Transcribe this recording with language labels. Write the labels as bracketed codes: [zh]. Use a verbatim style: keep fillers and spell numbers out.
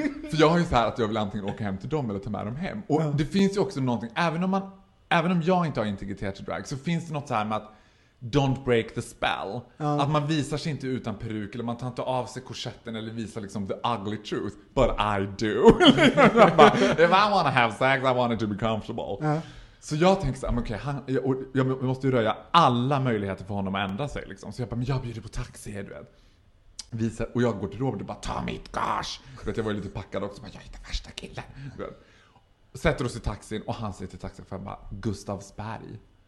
[sv] För jag har ju så här att jag vill antingen åka hem till dem eller ta med dem hem. Och det finns ju också någonting, även om, man, även om jag inte har integritet till drag, så finns det något så här med att [en] don't break the spell. [sv] Uh. Att man visar sig inte utan peruk, eller man tar inte av sig korsetten, eller visar liksom [en] the ugly truth. But I do. Bara, if I want to have sex, I want it to be comfortable. Uh. [sv] Så jag tänkte såhär, okay, han, jag, jag måste ju röja alla möjligheter för honom att ändra sig. Liksom. Så jag bara, men jag bjuder på taxi, du vet. Visar, och jag går till Robert och bara, ta mitt gage. För att jag var ju lite packad också, bara, jag hittar värsta killen. Sätter oss i taxin och han säger till taxichauffören bara, Gustavsberg.